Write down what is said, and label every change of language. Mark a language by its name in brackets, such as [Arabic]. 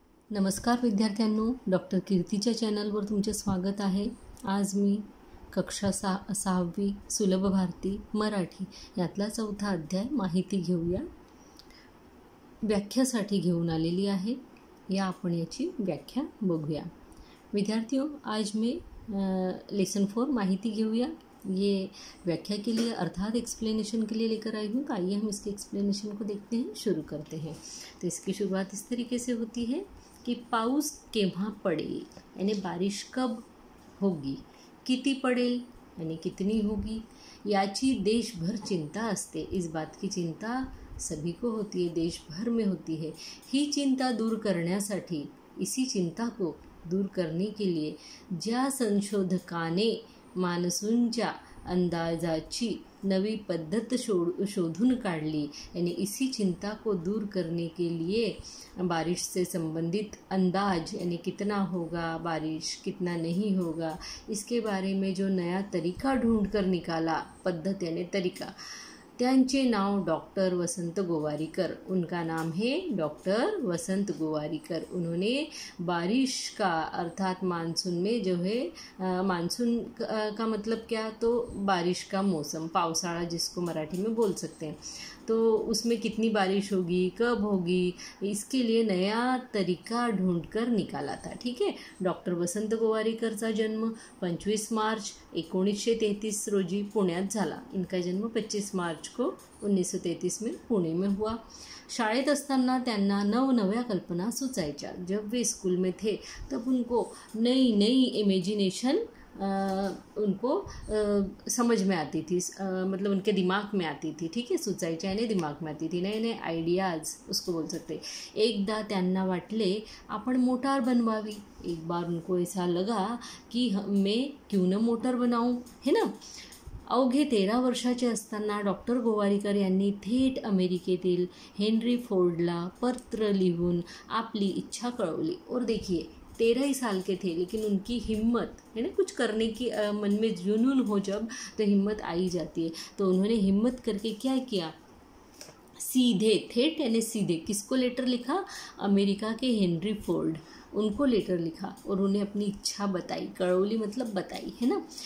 [Marathi] नमस्कार विद्यार्थ्यांनो, डॉक्टर कीर्तीच्या चॅनलवर तुमचे स्वागत आहे. आज मी कक्षा 6वी सुलभ भारती मराठी यातला 4था अध्याय माहिती घेऊया. व्याख्यासाठी घेऊन आलेली आहे, या आपण याची व्याख्या बघूया. [Hindi] विद्यार्थी, [Marathi] आज मी लेसन 4 माहिती घेऊया [Hindi] ये व्याख्या के लिए अर्थात एक्सप्लेनेशन के लिए लेकर आई हूँ. आइए हम इसके एक्सप्लेनेशन को देखते हैं, शुरू करते हैं. तो इसकी शुरुआत इस तरीके से होती है कि [Marathi] पाउस केव्हा पड़ेल, [Hindi] यानी बारिश कब होगी, [Marathi] किती पड़ेल [Hindi] यानी कितनी होगी, [Marathi] याची देश भर चिंता असते. [Hindi] इस बात की चिंता सभी को होती है, देश भर में होती है. [Marathi] ही चिंता दूर करण्यासाठी, [Hindi] इसी चिंता को दूर करने के लिए [Marathi] ज्या संशोधकाने मान्सूनच्या अंदाजाची नवी पद्धत शोधून काढली, [Hindi] आणि इसी चिंता को दूर करने के लिए बारिश से संबंधित अंदाज, यानी कितना होगा बारिश, कितना नहीं होगा, इसके बारे में जो नया तरीका ढूंढ कर निकाला, पद्धत यानी तरीका, [Marathi] त्यांचे नाव डॉक्टर वसंत गोवारीकर. [Hindi] उनका नाम है डॉक्टर वसंत गोवारीकर. उन्होंने बारिश का अर्थात मानसून में जो है, मानसून का मतलब क्या, तो बारिश का मौसम, पावसाळा जिसको मराठी में बोल सकते हैं, तो उसमें कितनी बारिश होगी, कब होगी, इसके लिए नया तरीका ढूंढ कर निकाला था. ठीक है, डॉक्टर वसंत गोवारीकर का जन्म 25 मार्च 1933 [Marathi] रोजी पुण्यात झाला. [Hindi] इनका जन्म 25 मार्च 1933 में पुणे में हुआ. [Marathi] शाळेत असताना त्यांना नवनव्या कल्पना सुचायच्या. [Hindi] जब वे स्कूल में थे तब उनको नई नई इमेजिनेशन उनको समझ में आती थी, मतलब उनके दिमाग में आती थी. ठीक है, सुचाई चाहिए दिमाग में आती थी, नए नए आइडियाज उसको बोल सकते. [Marathi] एकदा त्यांना वाटले आपण मोटार बनवावी. [Hindi] एक बार उनको ऐसा लगा कि मैं क्यों ना मोटर बनाऊँ, है ना. [Marathi] अवघे 13 वर्षाचे असताना डॉक्टर गोवारीकर यांनी थेट अमेरिकेतील हेनरी फोर्डला पत्र लिहून आपली इच्छा कळवली. [Hindi] और देखिए 13 ही साल के थे, लेकिन उनकी हिम्मत है ना, कुछ करने की मन में जुनून हो जब तो हिम्मत आई जाती है. तो उन्होंने हिम्मत करके क्या किया, सीधे थेट यानी सीधे किसको लेटर लिखा, अमेरिका के हेनरी फोर्ड, उनको लेटर लिखा और उन्हें अपनी इच्छा बताई, कळवली मतलब बताई, है ना.